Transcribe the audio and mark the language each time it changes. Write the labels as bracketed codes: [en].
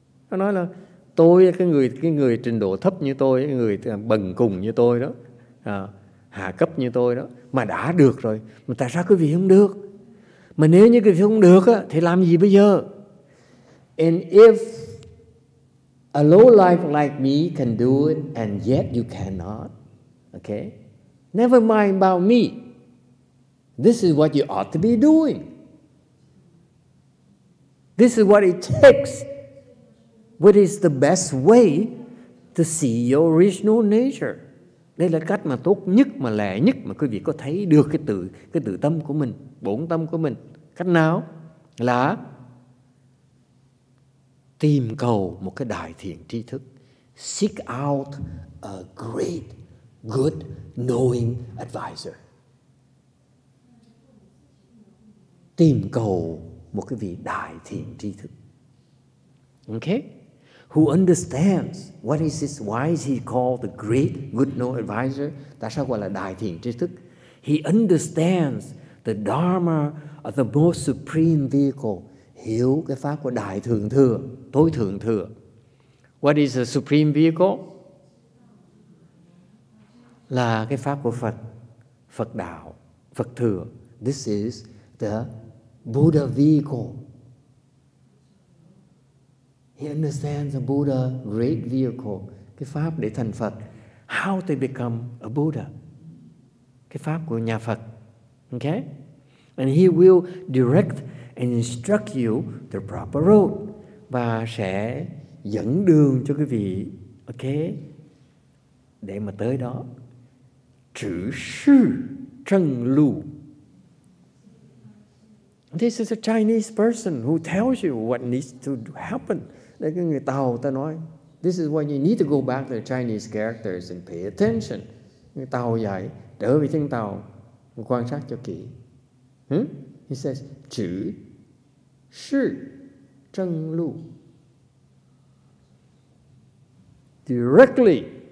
[vi] Nó nói là tôi, cái người trình độ thấp như tôi, cái người bần cùng như tôi đó, hạ cấp như tôi đó, mà đã được rồi, mà tại sao quý vị không được? Mà nếu như quý vị không được á, thì làm gì bây giờ? [en] And if a low life like me can do it, and yet you cannot, okay? Never mind about me. This is what you ought to be doing. This is what it takes. What is the best way to see your original nature? [vi] Đây là cách mà tốt nhất, mà lẹ nhất mà quý vị có thấy được cái tự tâm của mình, bổn tâm của mình. Cách nào? Là tìm cầu một cái đại thiện tri thức. [en] Seek out a great, good, knowing advisor. [vi] Tìm cầu một cái vị đại thiện tri thức. [en] Okay? Who understands what is this, why is he called the great, good, knowing advisor? [vi] Tại sao gọi là đại thiện tri thức? [en] He understands the Dharma of the most supreme vehicle. [vi] Hiểu cái pháp của đại thượng thừa, tối thượng thừa. [en] What is the supreme vehicle? [vi] Là cái pháp của Phật, Phật đạo, Phật thừa. [en] This is the Buddha vehicle. He understands the Buddha great vehicle, [vi] cái pháp để thành Phật. [en] How to become a Buddha? [vi] Cái pháp của nhà Phật. [en] Okay? And he will direct and instruct you the proper road, [vi] và sẽ dẫn đường cho quý vị, okay, để mà tới đó. Chữ sư chân lu. [en] This is a Chinese person who tells you what needs to happen. [vi] Đây cái người Tàu ta nói. [en] This is why you need to go back to the Chinese characters and pay attention. [vi] Người Tàu dạy, trở về chân Tàu, quan sát cho kỹ. [en] He says, [vi] chữ sư chân lu. [en] Directly.